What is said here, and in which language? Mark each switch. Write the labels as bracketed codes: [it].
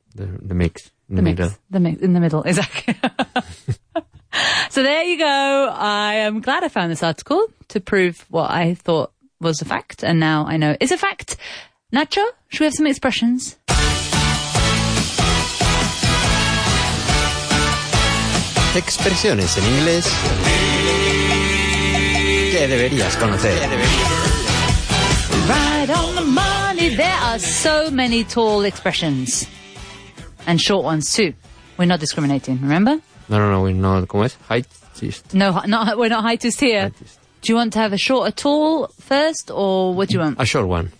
[en] The mix. The middle. The mix in the middle. Exactly. So there you go. I am glad I found this article to prove what I thought was a fact, and now I know it's a fact. Nacho, should we have some expressions? [es] Expresiones en inglés que deberías conocer. [en] Right on the money. There are so many tall expressions and short ones too. We're not discriminating, remember? No, we're not. [es] ¿Cómo es? [en] Heightist. No, not, we're not heightist here. Heightist. Do you want to have a short at all first, or what do you want? A short one.